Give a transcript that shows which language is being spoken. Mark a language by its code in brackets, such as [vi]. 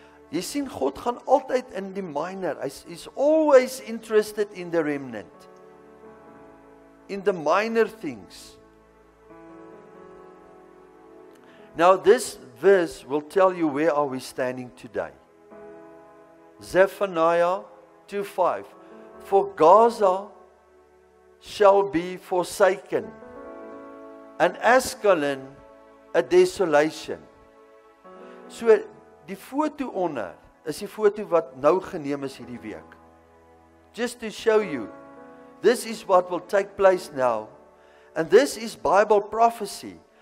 [af] Jy sien, God gaan altyd in die minor. [en] He's always interested in the remnant, in the minor things. Now this verse will tell you where are we standing today. Zephaniah 2:5. For Gaza shall be forsaken, and Ascalon a desolation. [af] So die foto onder is die foto wat nou geneem is hierdie week. [en] Just to show you, this is what will take place now, and this is Bible prophecy.